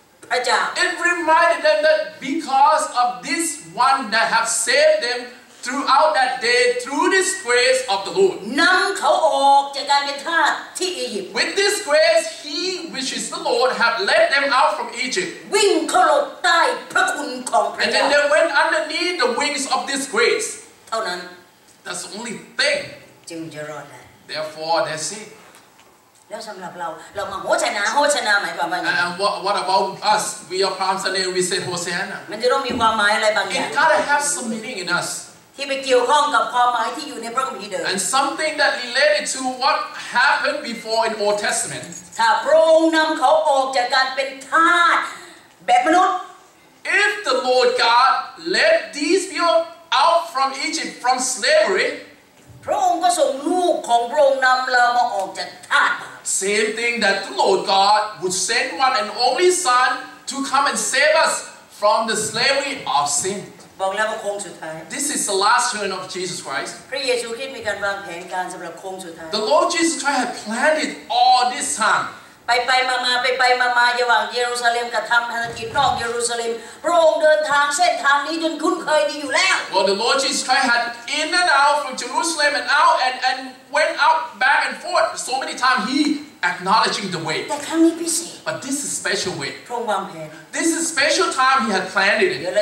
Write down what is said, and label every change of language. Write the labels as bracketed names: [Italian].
[English] It reminded them that because of this one that have saved them throughout that day through this grace of the Lord. [Thai] นำเขาออกจากการเป็นทาสที่อียิปต์ [English] With this grace, He, which is the Lord, have led them out from Egypt. [Thai] วิ่งเข้าหลบใต้พระคุณของพระเจ้า [English] And then they went underneath the wings of this grace. [Thai] เท่านั้น [English] That's the only thing. [Thai] จึงจะรอดได้ [English] Therefore, they say. [Thai] แล้วสำหรับเรามาโฮชนาหมายความว่าไง [English] And what about us? We are Palm Sunday. We say Hosanna. [Thai] มันจะต้องมีความหมายอะไรบางอย่าง [English] It gotta have some meaning in us. [Thai] ที่ไปเกี่ยวข้องกับความหมายที่อยู่ในพระคัมภีร์เดิม [English] And something that related to what happened before in Old Testament. [Thai] ถ้าพระองค์นำเขาออกจากการเป็นทาสแบบมนุษย์ [English] If the Lord God led these people out from Egypt from slavery. [Thai] พระองค์ก็ส่งลูกของพระองค์นำเรามาออกจากทาส [English] Same thing that the Lord God would send one and only Son to come and save us from the slavery of sin [Thai] บอกแล้วว่าโค้งสุดท้าย [English] This is the last turn of Jesus Christ [Thai] พระเยซูคริสต์มีการวางแผนการสำหรับโค้งสุดท้าย [English] The Lord Jesus Christ had planned it all this time [Thai] ไปมาระหว่างเยรูซาเล็มกับทำธุรกิจนอกเยรูซาเล็มพระองค์เดินทางเส้นทางนี้จนคุ้นเคยดีอยู่แล้ว [English] Well the Lord Jesus Christ had in and out from Jerusalem and out and went out back and forth so many times heAcknowledging the way. But this is special way. This is special time he had planned it.